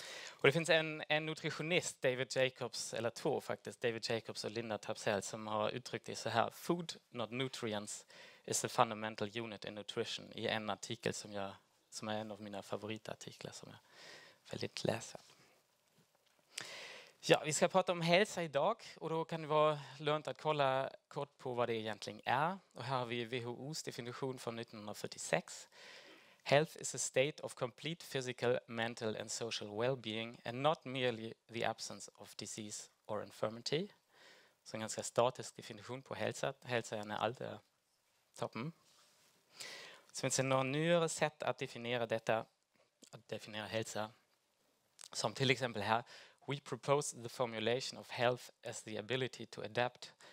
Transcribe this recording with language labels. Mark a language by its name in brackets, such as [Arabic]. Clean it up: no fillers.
[Swedish] Och det finns en nutritionist, David Jacobs, eller två faktiskt, David Jacobs och Linda Tapsell, som har uttryckt det så här: [English] "Food, not nutrients, is the fundamental unit in nutrition", [Swedish] i en artikel som är en av mina favoritartiklar som jag väldigt läser. Ja, vi ska prata om hälsa idag och då kan det vara lönt att kolla kort på vad det egentligen är. Och här har vi WHO:s definition från 1946. [English] "Health is a state of complete physical, mental and social well-being and not merely the absence of disease or infirmity." [Swedish] Så en ganska statisk definition på hälsa. Hälsa är när allt är toppen. Så finns det några nyare sätt att definiera detta, att definiera hälsa. Som till exempel här: [English] "We propose the formulation of health as the ability to adapt